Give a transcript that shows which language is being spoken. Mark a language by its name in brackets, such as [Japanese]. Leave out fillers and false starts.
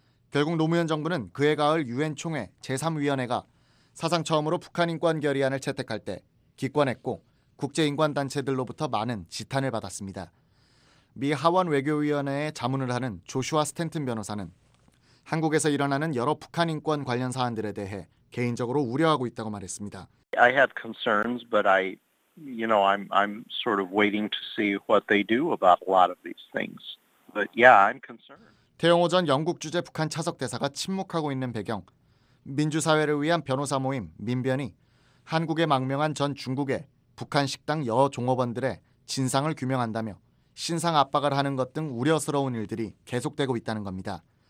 [Korean] 결국 노무현 정부는 그해 가을 유엔 총회 제3위원회가 사상 처음으로 북한인권결의안을 채택할 때 기권했고 국제인권단체들로부터 많은 지탄을 받았습니다. 미 하원 외교위원회에 자문을 하는 조슈아 스탠튼 변호사는 한국에서 일어나는 여러 북한 인권 관련 사안들에 대해 개인적으로 우려하고 있다고 말했습니다. [English] I have concerns, but I, you know, I'm sort of waiting to see what they do about a lot of these things. But yeah, I'm concerned. [Korean] 태영호 전 영국 주재 북한 차석 대사가 침묵하고 있는 배경, 민주사회를 위한 변호사 모임 민변이 한국에 망명한 전 중국의 북한 식당 여 종업원들의 진상을 규명한다며 신상 압박을 하는 것 등 우려스러운 일들이 계속되고 있다는 겁니다.